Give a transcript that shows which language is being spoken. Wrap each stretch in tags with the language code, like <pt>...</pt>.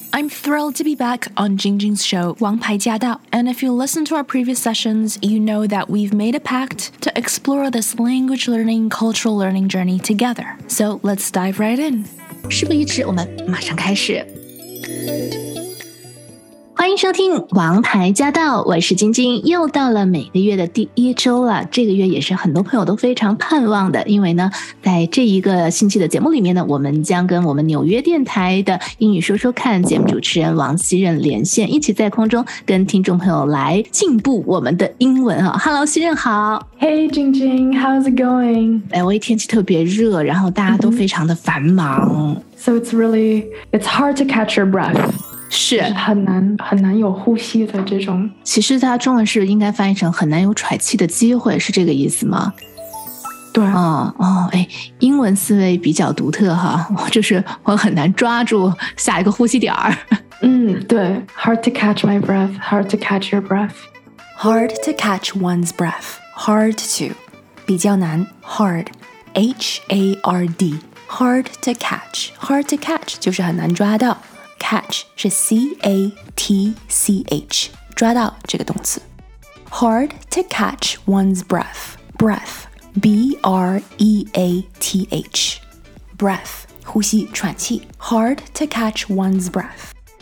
<en>I'm thrilled to be back on Jing Jing's show, 王牌驾到. And if you listen to our previous sessions, you know that we've made a pact to explore this language learning, cultural learning journey together. So let's dive right in.</en> <zh>事不宜迟，我们马上开始。欢迎收听王牌驾到，我是晶晶。又到了每个月的第一周了，这个月也是很多朋友都非常盼望的，因为呢在这一个星期的节目里面呢，我们将跟我们纽约电台的英语说说看节目主持人王希任连线，一起在空中跟听众朋友来进步我们的英文。</zh> <en>Hello</en> <zh>希任好。</zh> <en>Hey 晶晶 How's it going?</en> <zh>我一天气特别热，然后大家都非常的繁忙、</zh> <en>So it's hard to catch your breath.</en> <zh>是很难很难有呼吸的这种，其实它中文是应该翻译成很难有喘气的机会，是这个意思吗？对啊、英文思维比较独特哈，就是我很难抓住下一个呼吸点儿。</zh> <en>对 ，hard to catch my breath, hard to catch your breath, hard to catch one's breath, hard to</en> <zh>比较难</zh> <en>，hard, H A R D, hard to catch, hard to catch</en> <zh>就是很难抓到。</zh> <en>Catch 是 C-A-T-C-H</en> <zh>抓到这个动词</zh> <en>Hard to catch one's breath Breath B-R-E-A-T-H Breath</en> <zh>呼吸喘气</zh> <en>Hard to catch one's breath</en>